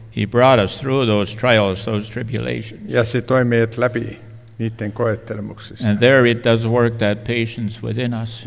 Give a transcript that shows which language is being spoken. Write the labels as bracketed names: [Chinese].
[English] He brought us through those trials, those tribulations. [Finnish] Ja se toi meidät läpi niiden koettelemuksista. [English] And there it does work that patience within us.